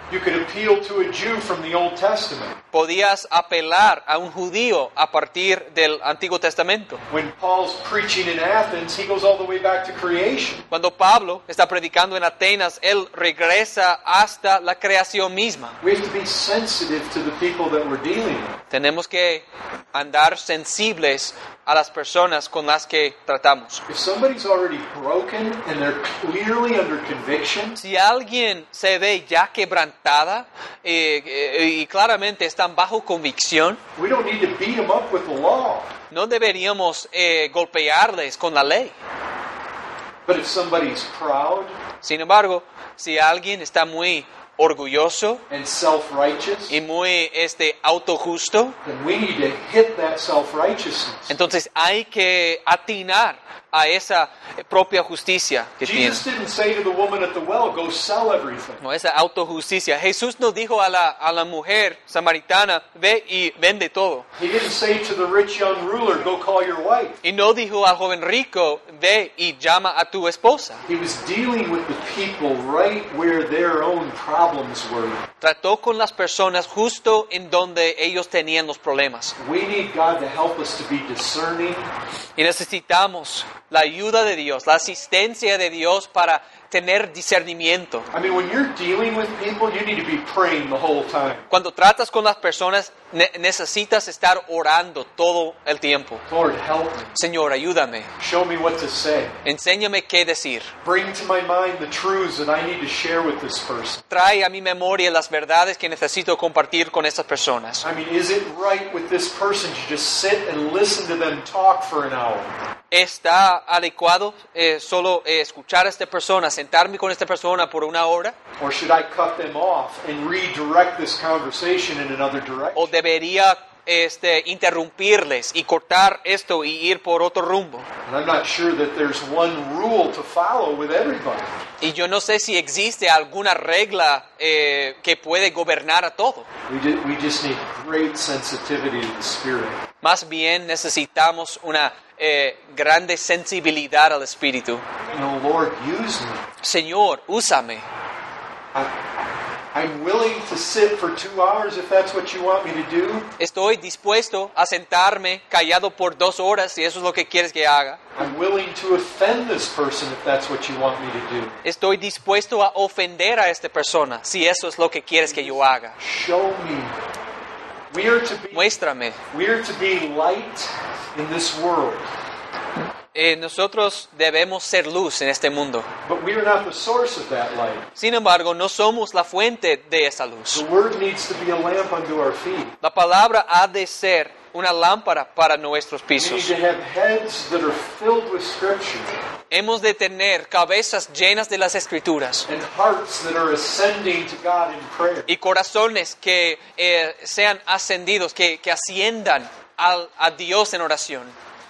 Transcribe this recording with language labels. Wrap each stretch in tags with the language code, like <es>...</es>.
<en>You could appeal to a Jew from the Old Testament.</en> <es>Podías apelar a un judío a partir del Antiguo Testamento.</es> <en>When Paul's preaching in Athens, he goes all the way back to creation.</en> <es>Cuando Pablo está predicando en Atenas, él regresa hasta la creación misma.</es> <en>We have to be sensitive to the people that we're dealing with.</en> <es>Tenemos que andar sensibles a las personas con las que tratamos.</es> <en>If somebody's already broken and they're clearly under conviction,</en> <es>si alguien se ve ya quebrantada y claramente están bajo convicción,</es> <en>we don't need to beat them up with the law.</en> <es>No deberíamos golpearles con la ley.</es> <en>But if somebody's proud,</en> <es>sin embargo, si alguien está muy orgulloso</es> <en>and self-righteous,</en> <es>y muy autojusto,</es> <en>then we need to hit that self-righteousness.</en> <es>Entonces hay que atinar a esa propia justicia que tiene.</es> <en>Jesus didn't say to the woman at the well, go sell everything.</en> <es>No, esa autojusticia. Jesús no dijo a la mujer samaritana, ve y vende todo.</es> <en>He didn't say to the rich young ruler, go call your wife.</en> <es>Y no dijo al joven rico, ve y llama a tu esposa.</es> <en>He was dealing with the people right where their own problems were.</en> <es>Trató con las personas justo en donde ellos tenían los problemas.</es> <en>We need God to help us to be discerning.</en> <es>Y necesitamos la ayuda de Dios, la asistencia de Dios para tener discernimiento.</es> <en>I mean, when you're dealing with people, you need to be praying the whole time.</en> <es>Cuando tratas con las personas, necesitas estar orando todo el tiempo.</es> <en>Lord, help me.</en> <es>Señor, ayúdame.</es> <en>Show me what to say.</en> <es>Enséñame qué decir.</es> <en>Bring to my mind the truths that I need to share with this person.</en> <es>Trae a mi memoria las verdades que necesito compartir con estas personas.</es> <en>I mean, is it right with this person to just sit and listen to them talk for an hour?</en> <es>¿Está adecuado solo escuchar a esta persona, sentarme con esta persona por una hora?</es> <en>Or should I cut them off and redirect this conversation in another direction?</en> <es>¿O debería interrumpirles y cortar esto y ir por otro rumbo?</es> <en>And I'm not sure that there's one rule to follow with everybody.</en> <es>Y yo no sé si existe alguna regla que puede gobernar a todo.</es> <en>We just need great sensitivity in the spirit.</en> <es>Más bien necesitamos una grande sensibilidad al Espíritu.</es> <en>No, Lord, use me.</en> <es>Señor, úsame.</es> <en>I'm willing to sit for 2 hours if that's what you want me to do.</en> <es>Estoy dispuesto a sentarme callado por 2 horas si eso es lo que quieres que haga.</es> <en>I'm willing to offend this person if that's what you want me to do.</en> <es>Estoy dispuesto a ofender a esta persona si eso es lo que quieres que yo haga.</es> <en>Show me. We are to be,</en> <es>muéstrame.</es> <en>We are to be light in this world.</en> <es>Nosotros debemos ser luz en este mundo.</es> <en>But we are not the source of that light.</en> <es>Sin embargo, no somos la fuente de esa luz.</es> <en>The word needs to be a lamp under our feet.</en> <es>La palabra ha de ser una lámpara para nuestros pisos.</es> <en>We need to have heads that are filled with scripture.</en> <es>Hemos de tener cabezas llenas de las escrituras.</es> <en>And hearts that are ascending to God in prayer.</en> <es>Y corazones que sean ascendidos, que asciendan a Dios en oración.</es>